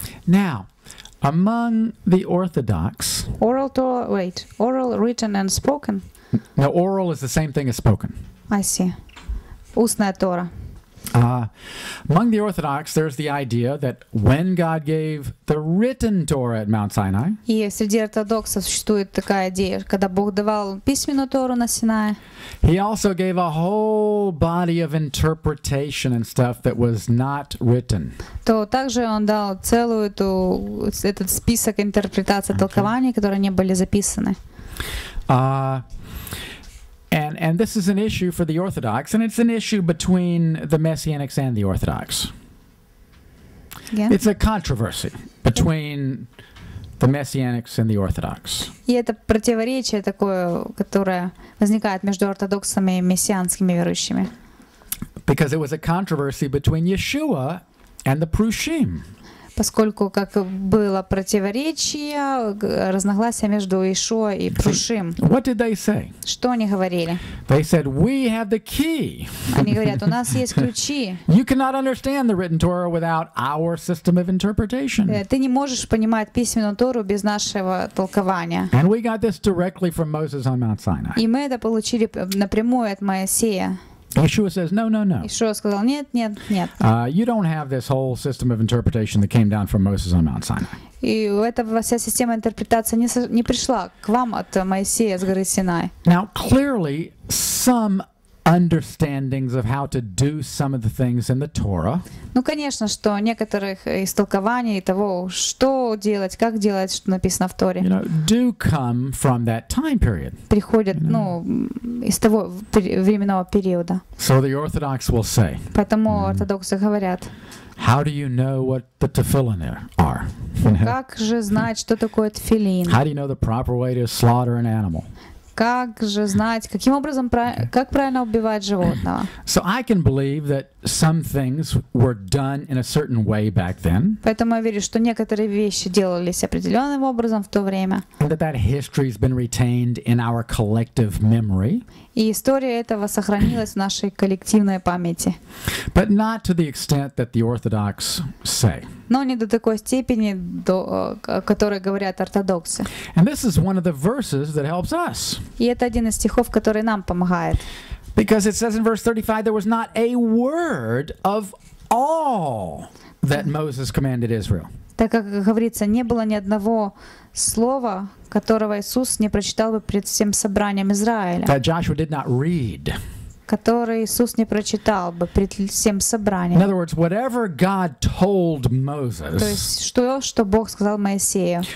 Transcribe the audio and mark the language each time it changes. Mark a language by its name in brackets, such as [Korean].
[English] Now, among the Orthodox, oral Torah, wait, oral, written, and spoken. No, oral is the same thing as spoken. I see. [Russian] Устная Тора. [English] Among the Orthodox, there's the idea that when God gave the written Torah at Mount Sinai, [Russian] и среди ортодоксов существует такая идея, когда Бог давал письменную Тору на Синае, [English] He also gave a whole body of interpretation and stuff that was not written. [Russian] То также он дал целую эту этот список интерпретаций, толкований, [English] okay. [Russian] которые не были записаны. [English] And this is an issue for the Orthodox, and it's an issue between the Messianics and the Orthodox. Yeah. It's a controversy between the Messianics and the Orthodox. [Russian] И это противоречие такое, которое возникает между ортодоксами и мессианскими верующими. [English] Because it was a controversy between Yeshua and the Prushim. [Russian] Поскольку как было противоречие, разногласия между Иешуа и Прушим. [English] What did they say? [Russian] Что они говорили? [English] They said, we have the key. [Russian] Они говорят, у нас есть ключи. [English] You cannot understand the written Torah without our system of interpretation. [Russian] Ты не можешь понимать письменную Тору без нашего толкования. [English] And we got this directly from Moses on Mount Sinai. [Russian] И мы это получили напрямую от Моисея. [English] Yeshua says, "No, no, no." [Russian] Yeshua сказал, нет, нет, нет. [English] You don't have this whole system of interpretation that came down from Moses on Mount Sinai. [Russian] И у этого вся система интерпретации не пришла к вам от Моисея с горы Синай. [English] Now, clearly, some understandings of how to do some of the things in the Torah. [Russian] Ну, конечно, что некоторых истолкований того, что делать, как делать, что написано в Торе. [English] You know, do come from that time period. [Russian] Приходят, [English] you know? [Russian] Ну, из того временного периода. [English] So the Orthodox will say. [Russian] Поэтому ортодоксы говорят. [English] How do you know what the tefillin are? [Russian] Как же знать, что такое тефилин? [English] How do you know the proper way to slaughter an animal? [Russian] Как же знать, каким образом, как правильно убивать животного? [English] So I can believe that some things were done in a certain way back then. [Russian] Поэтому я верю, что некоторые вещи делались определенным образом в то время. [English] And that history has been retained in our collective memory. [Russian] И история этого сохранилась в нашей коллективной памяти. [English] But not to the extent that the Orthodox say. [Russian] Но не до такой степени, до которой говорят ортодоксы. [English] And this is one of the verses that helps us. [Russian] И это один из стихов, который нам помогает. [English] Because it says in verse 35, there was not a word of all that Moses commanded Israel. [Russian] Так как говорится, не было ни одного слова, которого Иисус не прочитал бы перед всем собранием Израиля. [English] That Joshua did not read. [Russian] Который Иисус не прочитал бы перед всем собранием. [English] In other words, whatever God told Moses, [Russian] то есть, что Бог сказал Моисею,